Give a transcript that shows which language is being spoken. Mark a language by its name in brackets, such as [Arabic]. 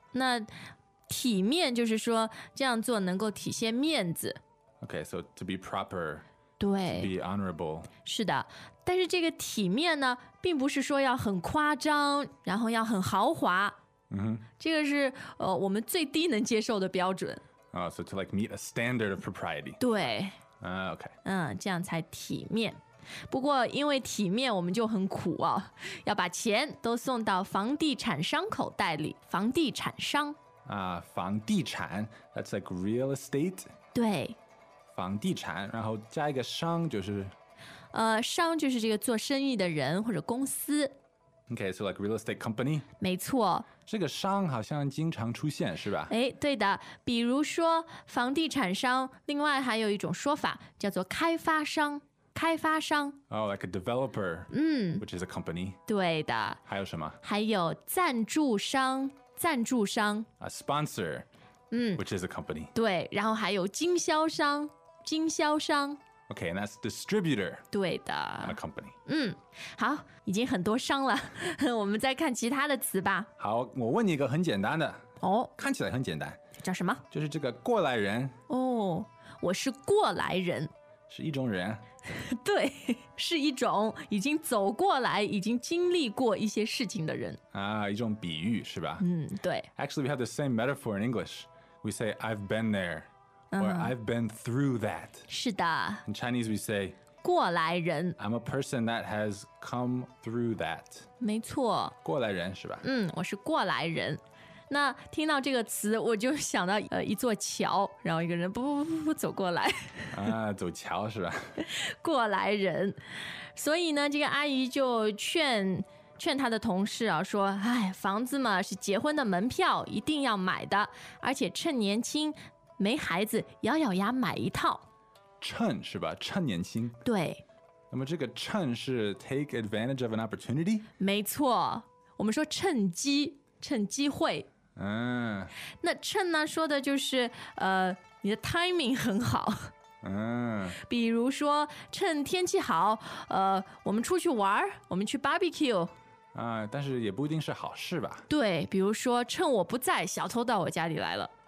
[Chinese] 那体面就是说这样做能够体现面子。 [English] Okay, so to be proper. [Chinese] 对。 [English] To be honorable. [Chinese] 是的。但是这个体面呢并不是说要很夸张然后要很豪华。嗯，这个是我们最低能接受的标准。 [English] Oh, so to like meet a standard of propriety. [Chinese] 对。 [English] OK。 [Chinese] 嗯，这样才体面。不过因为体面我们就很苦哦，要把钱都送到房地产商口袋里，房地产商。 [English] 房地产 that's like real estate。 [Chinese] 对。房地产然后加一个商就是。商就是这个做生意的人或者公司。 [English] OK, so like real estate company. [Chinese] 没错，这个商好像经常出现是吧？哎，对的，比如说房地产商，另外还有一种说法叫做开发商。开发商。 [English] Oh, like a developer. 嗯， which is a company. [Chinese] 对的。还有什么？还有赞助商。赞助商。 [English] A sponsor. 嗯， which is a company. [Chinese] 对，然后还有经销商。经销商。 [English] Okay, and that's distributor. [Chinese] 对的。 [English] A company. [Chinese] 嗯，好，已经很多商了，我们再看其他的词吧。好，我问你一个很简单的。哦。看起来很简单。叫什么？就是这个过来人。哦，我是过来人。是一种人。对，是一种已经走过来，已经经历过一些事情的人。啊，一种比喻是吧？嗯，对。 [English] Actually, we have the same metaphor in English. We say, I've been there. Or I've been through that. [Chinese] 是的。 [English] In Chinese we say, [Chinese] 过来人。 [English] I'm a person that has come through that. [Chinese] 没错。过来人是吧？嗯，我是过来人。那听到这个词我就想到一座桥，然后一个人不不不不走过来啊，走桥是吧，过来人。所以呢这个阿姨就劝她的同事啊，说哎，房子嘛是结婚的门票，一定要买的，而且趁年轻没孩子咬咬牙买一套。趁是吧，趁年轻。对。那么这个趁是 [English] take advantage of an opportunity? [Chinese] 没错，我们说趁机。趁机会、嗯、那趁呢说的就是你的 timing 很好、嗯、比如说趁天气好我们出去玩，我们去 barbecue、嗯、但是也不一定是好事吧。对，比如说趁我不在小偷到我家里来了、